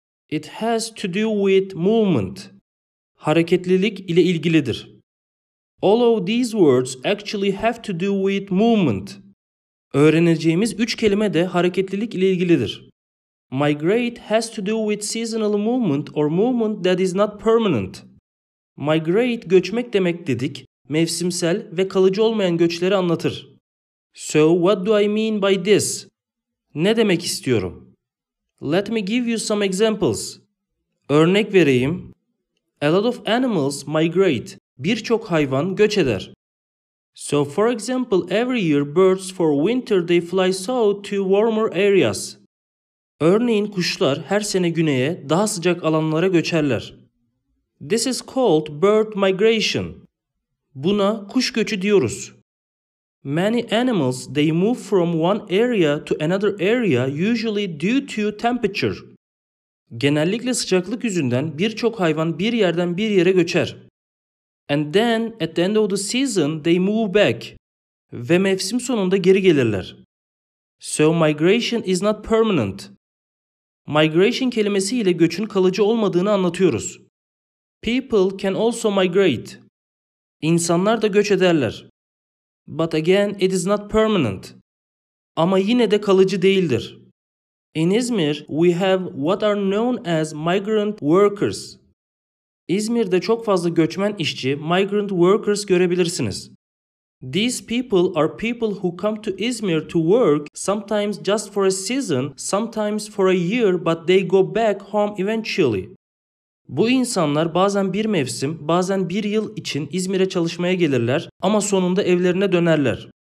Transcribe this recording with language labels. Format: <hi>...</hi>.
<en>It has to do with movement.</en> <tr>Hareketlilik ile ilgilidir.</tr> <en>All of these words actually have to do with movement.</en> <tr>Öğreneceğimiz 3 kelime de hareketlilik ile ilgilidir.</tr> <en>Migrate has to do with seasonal movement or movement that is not permanent.</en> <tr>Migrate göçmek demek dedik, mevsimsel ve kalıcı olmayan göçleri anlatır.</tr> <en>So what do I mean by this?</en> <tr>Ne demek istiyorum?</tr> <en>Let me give you some examples.</en> <tr>Örnek vereyim.</tr> <en>A lot of animals migrate.</en> <tr>Birçok hayvan göç eder.</tr> <en>So for example, every year birds for winter they fly south to warmer areas.</en> <tr>Örneğin kuşlar her sene güneye, daha sıcak alanlara göçerler.</tr> <en>This is called bird migration.</en> <tr>Buna kuş göçü diyoruz.</tr> <en>Many animals they move from one area to another area usually due to temperature.</en> <tr>Genellikle sıcaklık yüzünden birçok hayvan bir yerden bir yere göçer.</tr> <en>And then, at the end of the season, they move back.</en> <tr>Ve mevsim sonunda geri gelirler.</tr> <en>So, migration is not permanent.</en> <tr>Migration kelimesiyle göçün kalıcı olmadığını anlatıyoruz.</tr> <en>People can also migrate.</en> <tr>İnsanlar da göç ederler.</tr> <en>But again, it is not permanent.</en> <tr>Ama yine de kalıcı değildir.</tr> <en>In İzmir, we have what are known as migrant workers.</en> <tr>İzmir'de çok fazla göçmen işçi,</tr> <en>migrant workers</en> <tr>görebilirsiniz.</tr> <en>These people are people who come to İzmir to work, sometimes just for a season, sometimes for a year, but they go back home eventually.</en> <tr>Bu insanlar bazen bir mevsim, bazen bir yıl için İzmir'e çalışmaya gelirler ama sonunda evlerine dönerler.</tr>